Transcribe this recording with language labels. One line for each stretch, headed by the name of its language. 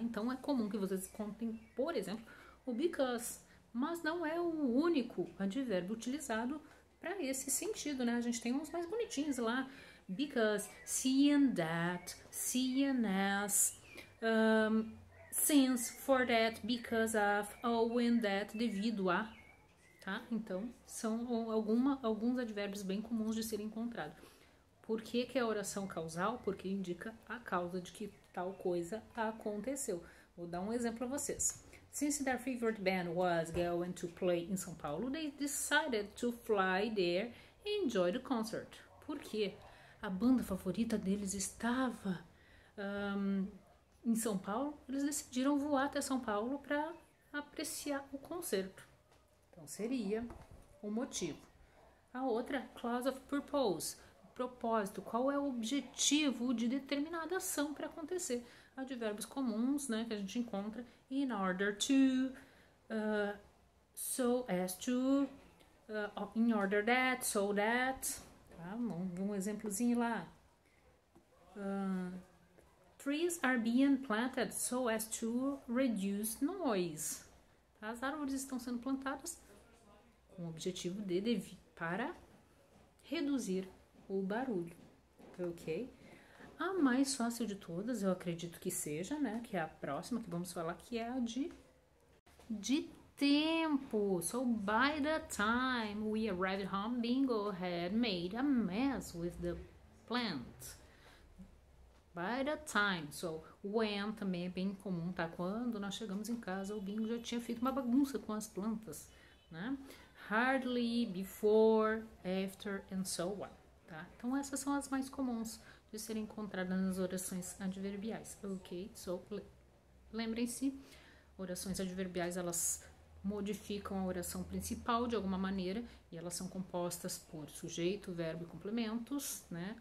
Portuguese: Então é comum que vocês contem, por exemplo, o because, mas não é o único advérbio utilizado para esse sentido, né? A gente tem uns mais bonitinhos lá:
English: because, seeing that, seeing as, since, for that, because of, owing that,
Portuguese: devido a, tá? Então, são alguns advérbios bem comuns de serem encontrados. Por que que é oração causal? Porque indica a causa de que tal coisa aconteceu. Vou dar um exemplo a vocês.
English: Since their favorite band was going to play in São Paulo, they decided to fly there and enjoy the concert.
Portuguese: Por quê? A banda favorita deles estava em São Paulo, eles decidiram voar até São Paulo para apreciar o concerto. Então seria o motivo. A outra, clause of purpose, propósito. Qual é o objetivo de determinada ação para acontecer? Advérbios comuns, né, que a gente encontra:
English: in order to, so as to, in order that, so that.
Portuguese: Tá? Um exemplozinho lá.
English: Trees are being planted so as to reduce noise.
Portuguese: As árvores estão sendo plantadas com o objetivo de para reduzir o barulho. Ok? A mais fácil de todas, eu acredito que seja, né? Que é a próxima que vamos falar, que é a de tempo.
English: So by the time we arrived home, Bingo had made a mess with the plant. By the time, so when
Portuguese: também é bem comum, tá? Quando nós chegamos em casa, o Bingo já tinha feito uma bagunça com as plantas, né?
English: Hardly, before, after, and so on, tá?
Portuguese: Então essas são as mais comuns de serem encontradas nas orações adverbiais, ok? So, lembrem-se, orações adverbiais, elas modificam a oração principal de alguma maneira e elas são compostas por sujeito, verbo e complementos, né?